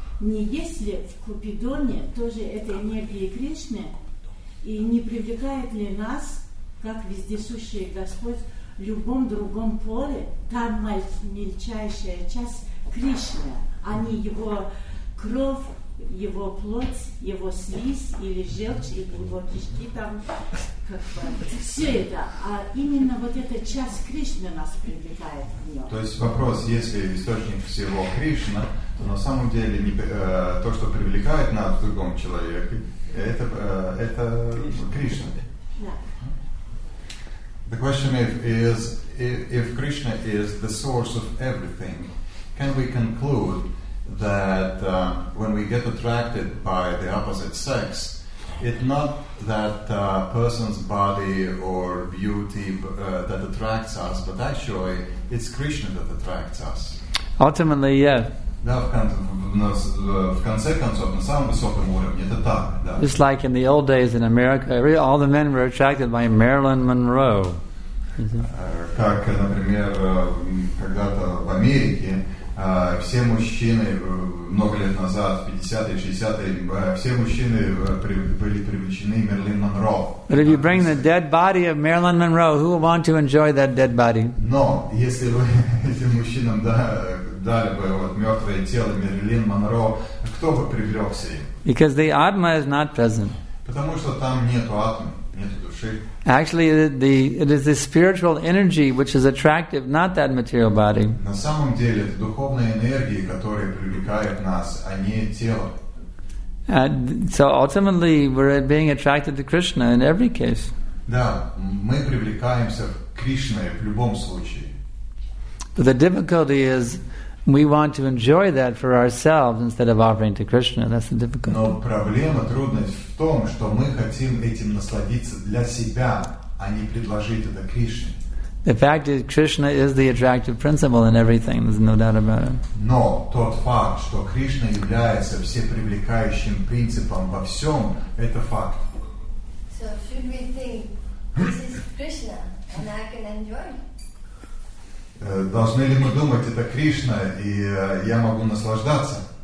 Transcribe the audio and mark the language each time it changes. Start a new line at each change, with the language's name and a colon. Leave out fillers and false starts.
Russian: Не есть ли в Купидоне тоже эта энергия Кришны, и не привлекает ли нас, как вездесущий Господь, в любом другом поле, там мельчайшая часть Кришны, а не его кровь, его плоть, его слизь или желчь, или его кишки там, все это. А именно вот эта часть Кришны нас привлекает в нем. То есть вопрос, если источник всего Кришна, то на самом деле то, что привлекает нас в другом человеке, это Кришна. Да.
English: The question is, if Krishna is the source of everything, can we conclude that when we get attracted by the opposite sex, it's not that person's body or beauty that attracts us, but actually it's Krishna that attracts us? Ultimately, yeah.
Russian: Да, в конце концов, на самом высоком уровне, это так, да.
English: Just like in the old days in America, all the men were attracted by Marilyn Monroe.
Russian: Как, например, когда-то в Америке, все мужчины много лет назад, 50-е, 60-е, все мужчины были привлечены Мерлин Монро.
English: But if you bring the dead body of Marilyn Monroe, who will want to enjoy that dead body?
Russian: Но если вы этим мужчинам дали бы вот мертвое тело Мерлин Монро, кто бы привлекся им?
English: Because the Atma is not present.
Russian: Потому что там нету Атмы.
English: Actually, it is the spiritual energy which is attractive, not that material body.
Russian: На самом деле, это духовная энергия, которая привлекает нас, а не тело.
English: So ultimately, we're being attracted to Krishna in every case.
Russian: Да, мы привлекаемся к Кришне в любом случае.
English: But the difficulty is, we want to enjoy that for ourselves instead of offering to Krishna. That's the difficulty.
Russian: Но проблема, трудность в том, что мы хотим этим насладиться для себя, а не предложить это Кришне.
English: The fact is, Krishna is the attractive principle in everything. There's no doubt about it.
Russian: Но тот факт, что Кришна является всепривлекающим принципом во всем, это факт.
English: So should we think this is Krishna and I can enjoy it?
Russian: Должны ли мы думать, это Кришна, и я могу наслаждаться?